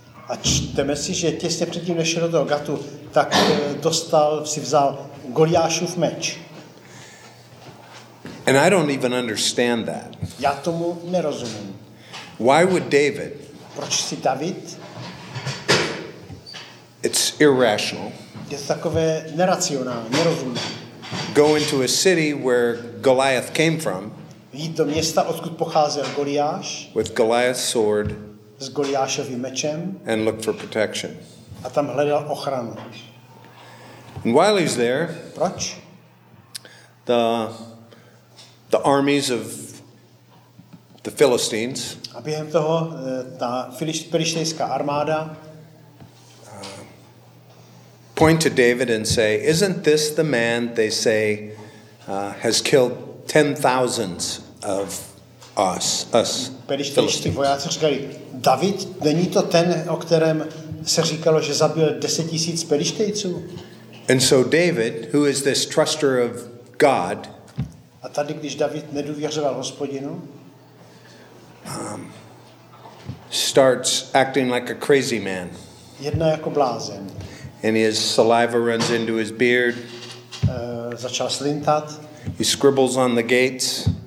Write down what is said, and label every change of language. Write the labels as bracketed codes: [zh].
[cs] A čteme si, že těsně předtím, než šel do toho Gathu, tak vzal Goliášův meč. [en] And I don't even understand that. [cs] Já tomu nerozumím. [en] Why would David? [cs] Proč si David? [en] It's irrational. [cs] Je to takové neracionální, nerozumné. [en] Go into a city where Goliath came from. [cs] Jít do města, odkud pocházel Goliáš. [en] With Goliath's sword. [cs] S Goliášovým mečem. [en] And look for protection. [cs] A tam hledal ochranu. [en] And while he's there. [cs] Proč? [en] The armies of the Philistines. [cs] A během toho ta filištejská armáda. [en] Point to David and say, "Isn't this the man they say has killed 10,000s of us?" [cs] Perištejští vojáci říkali, David, není to ten, o kterém se říkalo, že zabil 10,000 Perištejců? [en] And so David, who is this truster of God? [cs] A tady, když David nedůvěřoval Hospodinu, [en] starts acting like a crazy man. [cs] Jedná jako blázen. [en] And his saliva runs into his beard. [cs] Začal slintat. [en] He scribbles on the gates.